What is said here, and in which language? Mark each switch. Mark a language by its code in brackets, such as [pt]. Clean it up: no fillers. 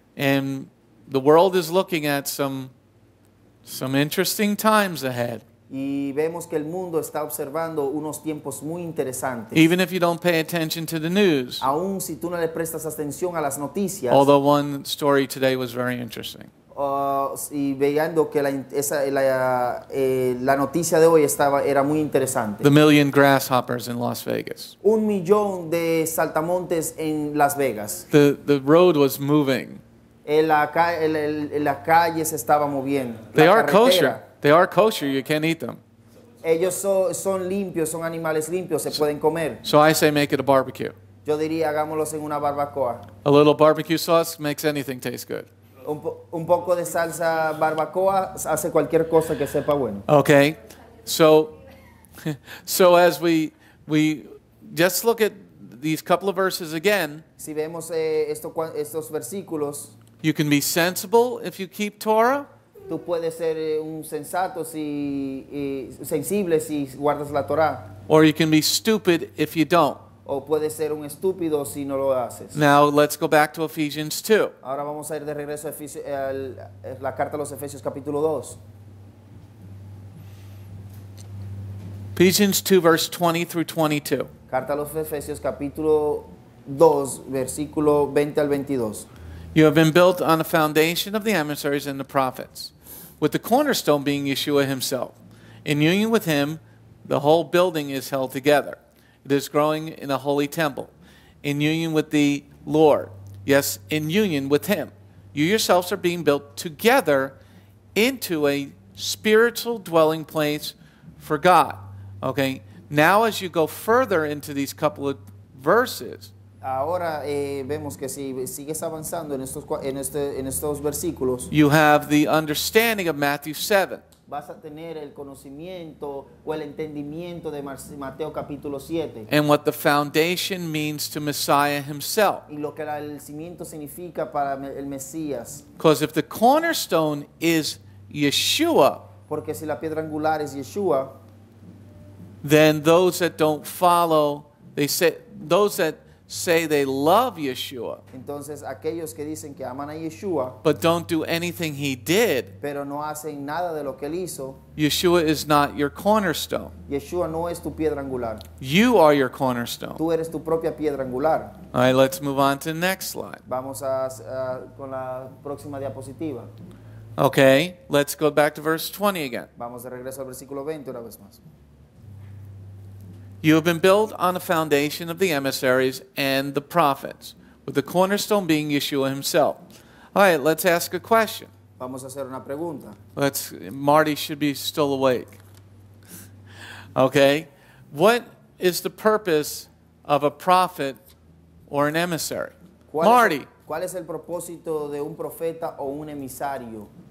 [en] And the world is looking at some interesting times ahead. [es] Y vemos que el mundo está observando unos tiempos muy interesantes. [en] Even if you don't pay attention to the news. [es] Aún si tú no le prestas atención a las noticias. [en] Although one story today was very interesting. [es] Y veando que la noticia de hoy era muy interesante. [en] The million grasshoppers in Las Vegas. [es] 1,000,000 de saltamontes en Las Vegas. [en] The road was moving. [es] La calle se estaba moviendo. [en] They are kosher. They are kosher. You can't eat them. [es] Ellos son limpios, son animales limpios, se pueden comer. [en] So I say make it a barbecue. [es] Yo diría hagámoslos en una barbacoa. [en] A little barbecue sauce makes anything taste good. [es] Un poco de salsa barbacoa hace cualquier cosa que sepa bueno. [en] Okay, so as we just look at these couple of verses again. [es] Si vemos estos versículos. [en] You can be sensible if you keep Torah. [es] Tú puedes ser un sensato si sensible si guardas la Torah. [en] Or you can be stupid if you don't. [es] O puede ser un estúpido si no lo haces. [en] Now let's go back to Ephesians 2. [es] Ahora vamos a ir de regreso a la carta a los Efesios capítulo 2. [en] Ephesians 2 verse 20 through 22. [es] Carta a los Efesios capítulo 2 versículo 20 al 22. [en] You have been built on the foundation of the emissaries and the prophets, with the cornerstone being Yeshua himself. In union with him, the whole building is held together. It is growing in a holy temple, in union with the Lord. Yes, in union with Him. You yourselves are being built together into a spiritual dwelling place for God. Okay, now as you go further into these couple of verses. [es] Ahora vemos que si sigues avanzando en estos versículos. [en] You have the understanding of Matthew 7. [es] Vas a tener el conocimiento o el entendimiento de Mateo capítulo 7. [en] And what the foundation means to Messiah himself. [es] Y lo que el cimiento significa para el Mesías. [en] Because if the cornerstone is Yeshua. [es] Porque si la piedra angular es Yeshua. [en] Then those that don't follow, those that say they love Yeshua. [es] Entonces aquellos que dicen que aman a Yeshua. [en] But don't do anything he did. [es] Pero no hacen nada de lo que él hizo. [en] Yeshua is not your cornerstone. [es] Yeshua no es tu piedra angular. [en] You are your cornerstone. [es] Tú eres tu propia piedra angular. [en] All right, let's move on to the next slide. [es] Vamos a con la próxima diapositiva. [en] Okay, let's go back to verse 20 again. [es] Vamos de regreso al versículo 20 una vez más. [en] You have been built on a foundation of the emissaries and the prophets, with the cornerstone being Yeshua himself. All right, let's ask a question. [es] Vamos a hacer una pregunta. [en] Marty should be still awake. Okay. What is the purpose of a prophet or an emissary? Marty. [es] ¿Cuál es el propósito de un profeta o un emisario?